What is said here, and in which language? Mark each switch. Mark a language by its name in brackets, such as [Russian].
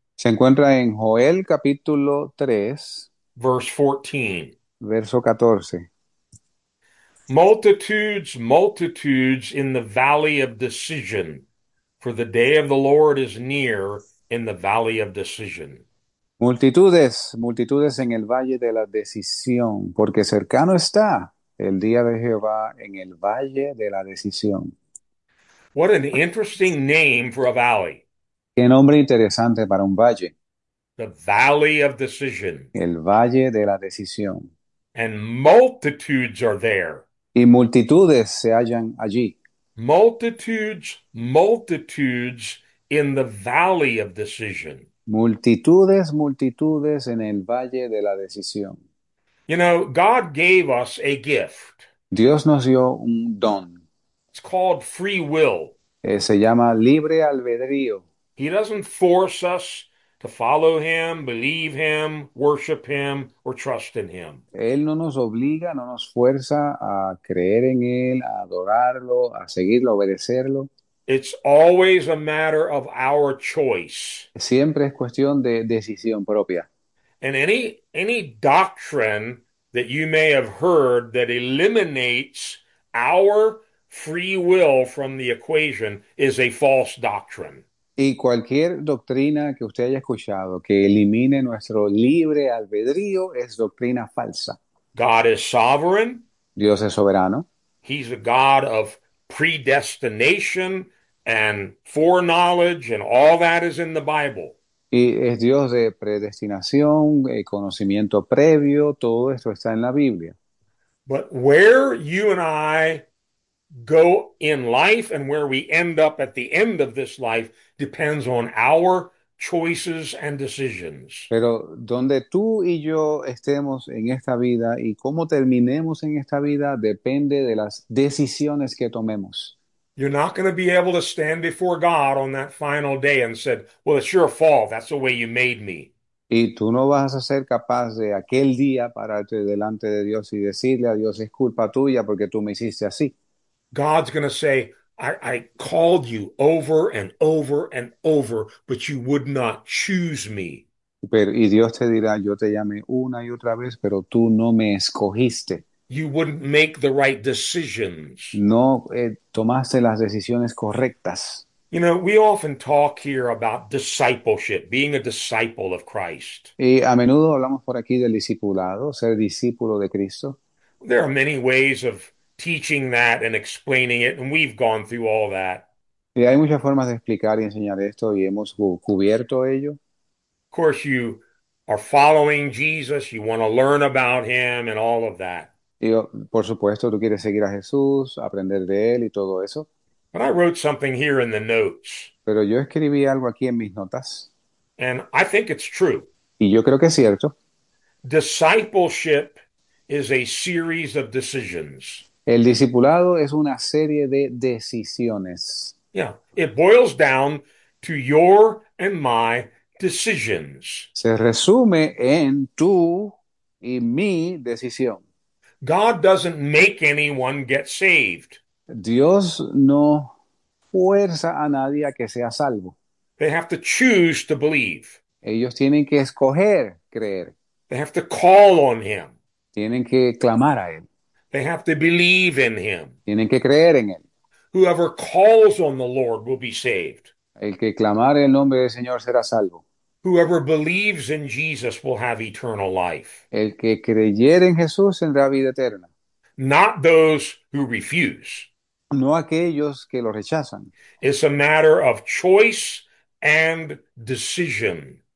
[Spanish] Se encuentra en Joel capítulo 3, [English] verse 14. [Spanish] verso 14. [English] Multitudes, multitudes in the valley of decision. For the day of the Lord is near in the valley of decision. [Spanish] Multitudes, multitudes en el valle de la decisión, porque cercano está el día de Jehová en el valle de la decisión. [English] What an interesting name for a valley. [Spanish] Qué nombre interesante para un valle. [English] The valley of decision. [Spanish] El valle de la decisión. [English] And multitudes are there. [Spanish] Y multitudes se hallan allí. [English] Multitudes, multitudes in the valley of decision. [Spanish] Multitudes, multitudes en el valle de la decisión. [English] You know, God gave us a gift. [Spanish] Dios nos dio un don. [English] It's called free will. [Spanish] Se llama libre albedrío. [English] He doesn't force us to follow him, believe him, worship him, or trust in him. [Spanish] Él no nos obliga, no nos fuerza a creer en él, a adorarlo, a seguirlo, a obedecerlo. [English] It's always a matter of our choice. [Spanish] Siempre es cuestión de decisión propia. [English] And any doctrine that you may have heard that eliminates our free will from the equation is a false doctrine. [Spanish] Y cualquier doctrina que usted haya escuchado que elimine nuestro libre albedrío es doctrina falsa. [English] God is sovereign. [Spanish] Dios es soberano. [English] He's a God of predestination. And foreknowledge and all that is in the Bible. [Spanish] Y es Dios de predestinación, conocimiento previo, todo esto está en la Biblia. [English] But where you and I go in life and where we end up at the end of this life depends on our choices and decisions. [Spanish] Pero donde tú y yo estemos en esta vida y cómo terminemos en esta vida depende de las decisiones que tomemos. [English] You're not going to be able to stand before God on that final day and said, "Well, it's your fault. That's the way you made me." [Spanish] Y tú no vas a ser capaz de aquel día pararte delante de Dios y decirle a Dios, es culpa tuya porque tú me hiciste así. [English] God's going to say, "I called you over and over and over, but you would not choose me." [Spanish] Y Dios te dirá, yo te llamé una y otra vez, pero tú no me escogiste. [English] You wouldn't make the right decisions. [Spanish] No tomaste las decisiones correctas. [English] You know, we often talk here about discipleship, being a disciple of Christ. [Spanish] Y a menudo hablamos por aquí del discipulado, ser discípulo de Cristo. [English] There are many ways of teaching that and explaining it, and we've gone through all that. [Spanish] Y hay muchas formas de explicar y enseñar esto y hemos cubierto ello. [English] Of course, you are following Jesus, you want to learn about him and all of that. [Spanish] Y por supuesto, tú quieres seguir a Jesús, aprender de él y todo eso. [English] But I wrote something here in the notes. [Spanish] Pero yo escribí algo aquí en mis notas. [English] And I think it's true. [Spanish] Y yo creo que es cierto. [English] Discipleship is a series of decisions. [Spanish] El discipulado es una serie de decisiones. [English] Yeah, it boils down to your and my decisions. [Spanish] Se resume en tú y mi decisión. [English] God doesn't make anyone get saved. [Spanish] Dios no fuerza a nadie a que sea salvo. [English] They have to choose to believe. [Spanish] Ellos tienen que escoger creer. [English] They have to call on him. [Spanish] Tienen que clamar a Él. [English] They have to believe in him. [Spanish] Tienen que creer en Él. [English] Whoever calls on the Lord will be saved. [Spanish] El que clamare el nombre del Señor será salvo. [English] Whoever believes in Jesus will have eternal life. [Spanish] El que creyere en Jesús tendrá vida eterna. [English] Not those who refuse. [Spanish] No aquellos que lo rechazan. [English] It's a matter of choice and decision.